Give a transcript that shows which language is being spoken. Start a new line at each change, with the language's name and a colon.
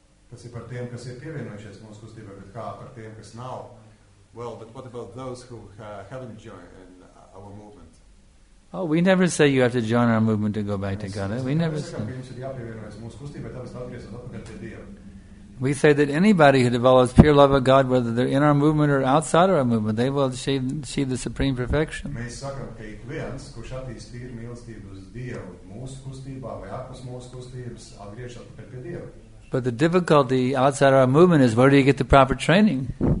Latvian: Tas ir par tiem, kas ir pievienojušies mūsu kustībā, bet kā par tiem, kas nav.
English: Well, but what about those who haven't joined in our movement? Oh, we never say you have to join our movement to go back to God. We never say.
Latvian: Mēs sakām, ka jums ir jāpievienojas mūsu kustībā, bet tāpēc atgriezot atpakaļ pie Dieva.
English: We say that anybody who develops pure love of God, whether they're in our movement or outside of our movement, they will achieve the supreme perfection.
Latvian: Mēs sakām, ka ikviens, kurš attīst tīru mīlestību uz Dievu mūsu kustībā vai ārpus mūsu kustības, atgriežas atpakaļ pie Dieva.
English: But the difficulty outside our movement is, where do you get the proper training?